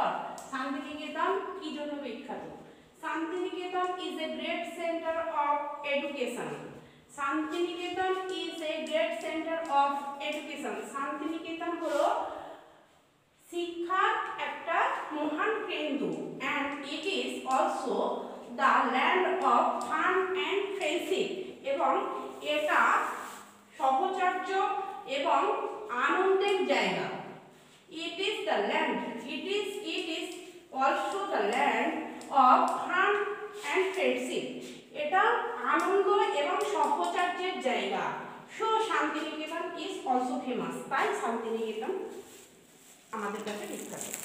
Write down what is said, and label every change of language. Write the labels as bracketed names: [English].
[Bangla] Spot Santiniketan কি জন্য বিখ্যাত [English] Santiniketan is a great centre of education Santiniketan is a great centre of education [Bangla] Santiniketan হলো শিক্ষার একটা মহান কেন্দ্র [English] and it is also the land of fun and friendship [Bangla] এবং এটা সহচর্য এবং আনন্দের জায়গা [English] It is the land. It is also the land of fun and friendship. [Bangla] এটা আনন্দ এবং সহচর্যের জায়গা. [English] So Santiniketan is also famous. [Bangla] তাই শান্তিনিকেতন আমাদের কাছে বিখ্যাত.